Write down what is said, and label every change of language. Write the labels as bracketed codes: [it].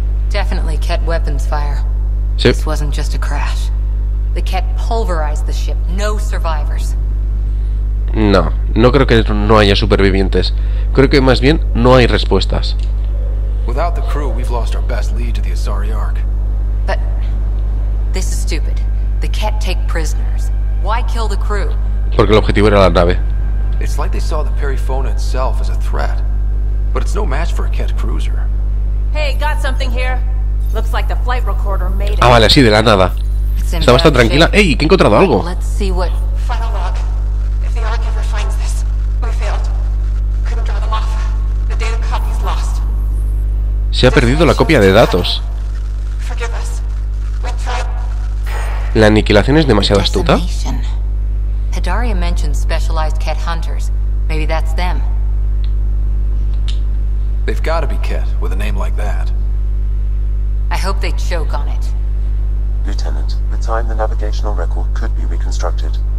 [en] Definitely Ket weapons fire. [es] Sí. [en] This wasn't just a crash. The Ket pulverized the ship. No survivors. [es] No, no creo que no haya supervivientes. Creo que más bien no hay respuestas. [en] Without the crew, we've lost our best lead to the Asari Ark. But this is stupid. The Ket take prisoners. Why kill the crew? [es] Porque el objetivo era la nave. [en] It's like they saw the Perifona itself as a threat. But it's no match for a Ket cruiser. Hey, got something here. Looks like the flight recorder made it. [es] Ah, vale, así de la nada. Está bastante tranquila. Ey, que he encontrado algo. [en] Let's see what... Final log. If the Ark ever finds this, we failed. Couldn't draw them off. The data copy's lost. [es] Se ha perdido la copia de datos. [en] Forgive us. We tried. [es] La aniquilación es demasiado astuta. [en] Hedaria mentioned specialized Ket hunters. Maybe that's them. They've got to be Ket with a name like that. I hope they choke on it. Lieutenant, with time, the navigational record could be reconstructed.